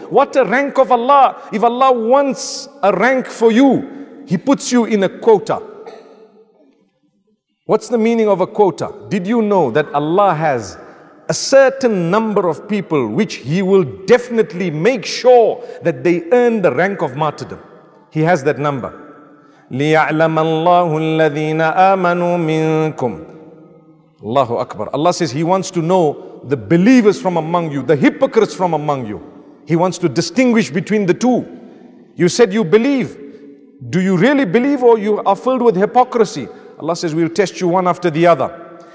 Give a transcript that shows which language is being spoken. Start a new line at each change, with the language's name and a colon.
English: What a rank of Allah. If Allah wants a rank for you, He puts you in a quota. What's the meaning of a quota? Did you know that Allah has a certain number of people which He will definitely make sure that they earn the rank of martyrdom? He has that number.
Arabic: لِيَعْلَمَ اللَّهُ الَّذِينَ آمَنُوا مِنْكُمْ Allahu Akbar.
English: Allah says He wants to know the believers from among you, the hypocrites from among you. He wants to distinguish between the two. You said you believe. Do you really believe or you are filled with hypocrisy? Allah says, we'll test you one after the other.